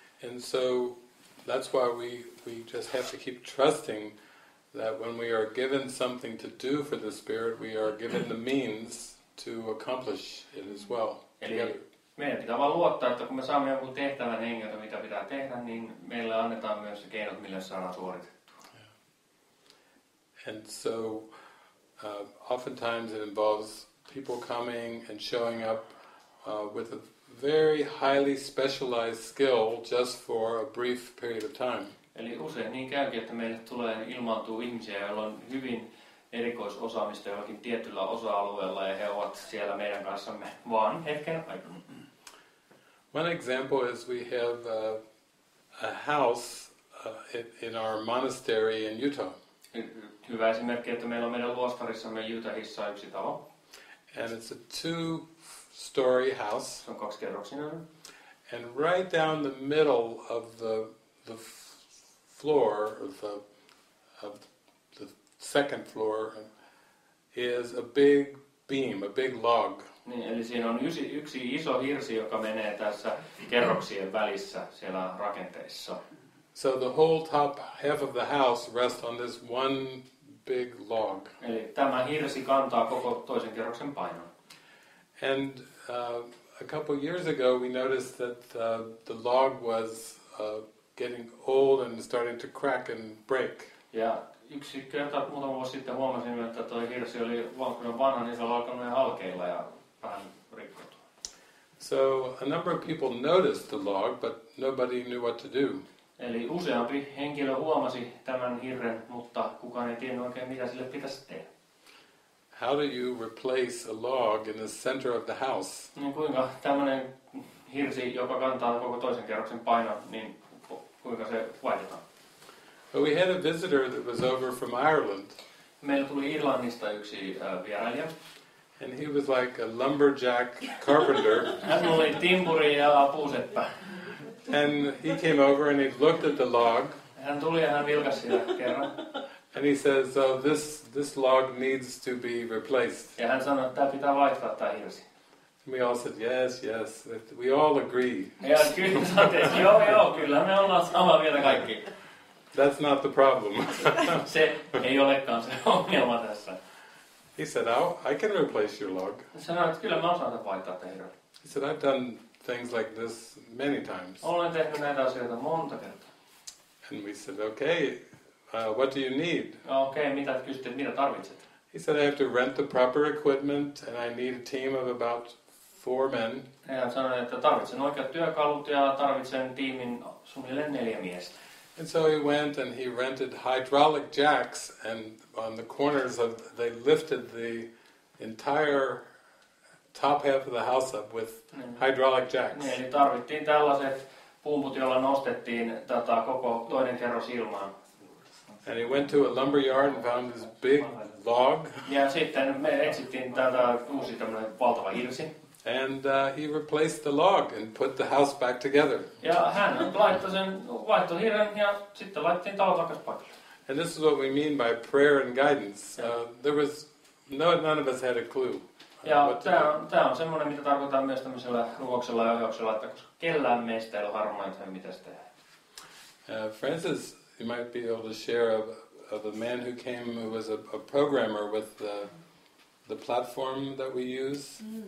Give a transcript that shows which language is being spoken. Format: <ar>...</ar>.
<en>And so that's why we just have to keep trusting that when we are given something to do for the spirit, we are given the means to accomplish it as well.</en> <fi>Eli meidän pitää vaan luottaa, että kun me saamme jonkun tehtävän hengeltä, mitä pitää tehdä, niin meille annetaan myös keinot, millä saadaan suoritettua.</fi> <en>Yeah. And so oftentimes it involves people coming and showing up with a very highly specialized skill just for a brief period of time.</en> <fi>Eli usein niin käykin, että meille tulee ilmaantua ihmisiä, joilla on hyvin erikoisosaamista jollakin tietyllä osa-alueella ja he ovat siellä meidän kanssamme vaan hetken aikaa.</fi> <en>One example is we have a house in our monastery in Utah.</en> <fi>Hyvä esimerkki, että meillä on meidän luostarissamme Utahissa yksi talo.</fi> <en>And it's a two-story house.</en> <fi>Se on kaksikerroksinen.</fi> <en>And right down the middle of the floor, of the second floor, is a big beam, a big log.</en> <fi>Niin, eli siinä on yksi iso hirsi, joka menee tässä kerroksien välissä siellä rakenteissa.</fi> <en>So the whole top half of the house rests on this one big log.</en> <fi>Eli tämä hirsi kantaa koko toisen kerroksen painon.</fi> <en>And a couple years ago we noticed that the log was getting old and starting to crack and break.</en> <fi>Ja yksi kerta muutama vuosi sitten huomasimme, että tuo hirsi oli vanha, niin se oli alkanut halkeilla ja vähän rikkoutua.</fi> <en>So a number of people noticed the log, but nobody knew what to do.</en> <fi>Eli useampi henkilö huomasi tämän hirren, mutta kukaan ei tiennyt oikein, mitä sille pitäisi tehdä.</fi> <en>How do you replace a log in the center of the house?</en> <fi>No kuinka tämmöinen hirsi, joka kantaa koko toisen kerroksen painon, niin kuinka se vaihdetaan?</fi> <en>But we had a visitor that was over from Ireland.</en> <fi>Meillä tuli Irlannista yksi vierailija.</fi> <en>And he was like a lumberjack carpenter.</en> <fi>Hän oli timburi ja puuseppä.</fi> <en>And he came over and he looked at the log.</en> <fi>Hän tuli ja hän vilkasi sitä kerran.</fi> <en>And he says, this log needs to be replaced.</en> <fi>Ja hän sanoi, että tämä pitää vaihtaa tämä hirsi.</fi> <en>And we all said, yes, we all agree.</en> <fi>Ja kyllä sanoi, että joo, kyllä me ollaan samaa mieltä kaikki.</fi> <en>That's not the problem.</en> <fi>Se ei olekaan se ongelma tässä.</fi> <en>He said, I can replace your log.</en> <fi>Sanoi, että kyllä mä osaan vaihtaa tämä hirsi.</fi> <en>He said, I've done things like this many times.</en> <fi>Olen tehnyt näitä asioita monta kertaa.</fi> <en>And we said, okay, what do you need?</en> <fi>Okay, mitä kysytte, mitä tarvitset?</fi> <en>He said, I have to rent the proper equipment and I need a team of about 4 men.</en> <fi>Ja sanoin, että tarvitsen oikeat työkalut ja tarvitsen tiimin suunnilleen 4 miestä.</fi> <en>And so he went and he rented hydraulic jacks and on the corners of they lifted the entire top half of the house up with hydraulic jacks.</en> <fi>Niin, tarvittiin tällaiset pumput, joilla nostettiin tätä koko toinen kerros ilmaan.</fi> <en>And he went to a lumber yard and found this big log.</en> <fi>Ja sitten me etsittiin tätä uusi tämmöinen valtava hirsi.</fi> <en>And he replaced the log and put the house back together.</en> <fi>Ja hän laittoi sen vaihtoi hirren ja sitten laittiin talo takaisin paikalle.</fi> <en>And this is what we mean by prayer and guidance. There was none of us had a clue.</en> <fi>Ja tämä on semmoinen, mitä tarkoitan myös tämmöisellä rukouksella ja ohjauksella, että koska kellään meistä ei ole harmaa, mitä se tehdään.</fi> <en>Francis, you might be able to share of a man who came who was a programmer with the platform that we use.</en>